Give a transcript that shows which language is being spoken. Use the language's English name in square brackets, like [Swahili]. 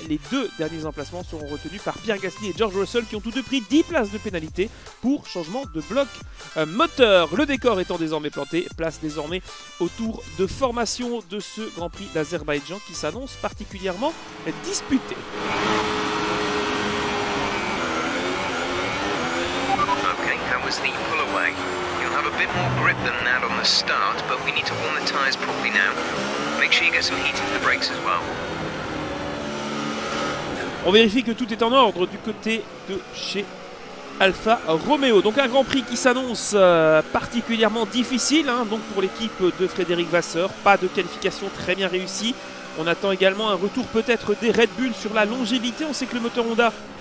[French] Les deux derniers emplacements seront retenus par Pierre Gasly et George Russell qui ont tous deux pris 10 places de pénalité pour changement de bloc moteur. Le décor étant désormais planté, place désormais au tour de formation de ce Grand Prix d'Azerbaïdjan qui s'annonce particulièrement disputé. [English] Okay, that was the pull away. You'll have a bit more grip than that on the start, but we need to warm the tyres properly now. Make sure you get some heat into the brakes as well. [French] On vérifie que tout est en ordre du côté de chez Alfa Romeo. Donc un Grand Prix qui s'annonce particulièrement difficile donc pour l'équipe de Frédéric Vasseur. Pas de qualification très bien réussie. On attend également un retour peut-être des Red Bull sur la longévité. On sait que le moteur Honda